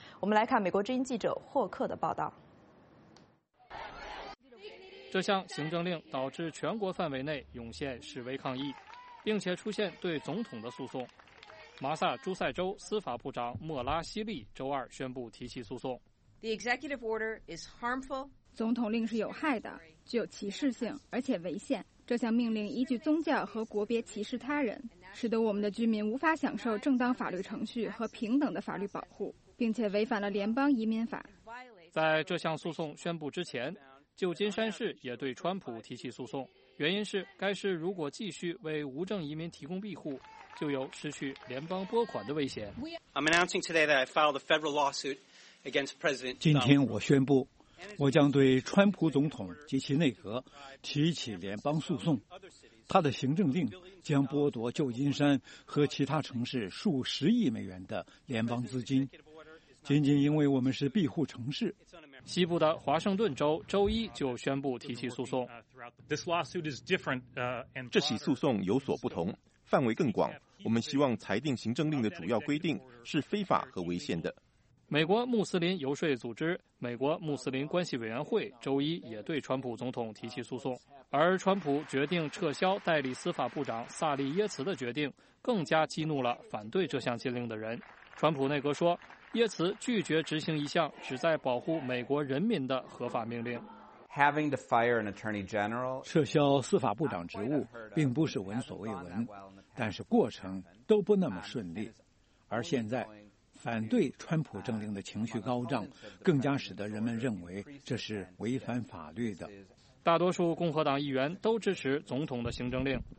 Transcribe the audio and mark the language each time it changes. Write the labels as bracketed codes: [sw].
[zh] 我们来看美国之音记者霍克的报道。这项行政令导致全国范围内涌现示威抗议，并且出现对总统的诉讼。马萨诸塞州司法部长莫拉西利周二宣布提起诉讼。 [en] The executive order is harmful. [zh] 总统令是有害的，具有歧视性，而且违宪。这项命令依据宗教和国别歧视他人，使得我们的居民无法享受正当法律程序和平等的法律保护，并且违反了联邦移民法。在这项诉讼宣布之前，旧金山市也对川普提起诉讼，原因是该市如果继续为无证移民提供庇护，就有失去联邦拨款的危险。 [en] I'm announcing today that I filed a federal lawsuit against President Trump. [zh] 今天我宣布，我将对川普总统及其内阁提起联邦诉讼，他的行政令将剥夺旧金山和其他城市数十亿美元的联邦资金，仅仅因为我们是庇护城市。西部的华盛顿州周一就宣布提起诉讼。这起诉讼有所不同，范围更广，我们希望裁定行政令的主要规定是非法和违宪的。美国穆斯林游说组织美国穆斯林关系委员会周一也对川普总统提起诉讼，而川普决定撤销代理司法部长萨利耶茨的决定更加激怒了反对这项禁令的人。川普内阁说，耶茨拒绝执行一项旨在保护美国人民的合法命令。 [en] Having to fire an attorney general, [zh] 撤销司法部长职务并不是闻所未闻，但是过程都不那么顺利，而现在反对川普政令的情绪高涨，更加使得人们认为这是违反法律的。大多数共和党议员都支持总统的行政令。